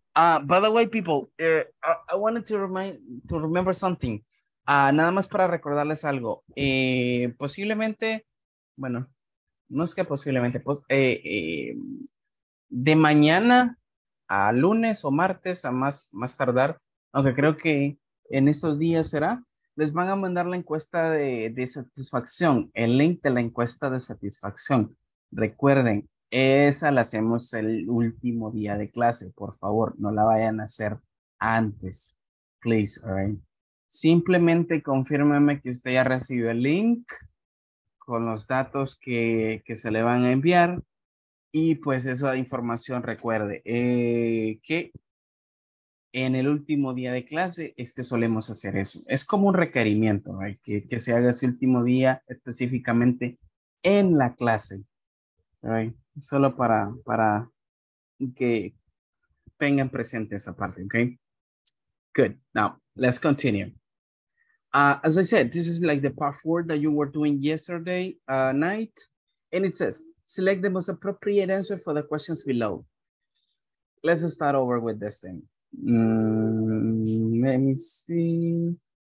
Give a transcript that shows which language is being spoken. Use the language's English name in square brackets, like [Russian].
[English] By the way, people, I wanted to remember something. [Spanish] Nada más para recordarles algo, de mañana a lunes o martes a más tardar, aunque creo que en estos días será, les van a mandar la encuesta de satisfacción, el link de la encuesta de satisfacción. Recuerden, esa la hacemos el último día de clase, por favor, no la vayan a hacer antes, [English] please, all right? [Spanish] Simplemente confírmeme que usted ya recibió el link con los datos que se le van a enviar y pues esa información recuerde que en el último día de clase es que solemos hacer eso. Es como un requerimiento, ¿verdad? Que se haga ese último día específicamente en la clase, ¿verdad? Solo para que tengan presente esa parte, ¿ok? [English] Good. Now, let's continue. As I said, this is like the part four that you were doing yesterday night. And it says, select the most appropriate answer for the questions below. Let's start over with this thing. Let me see.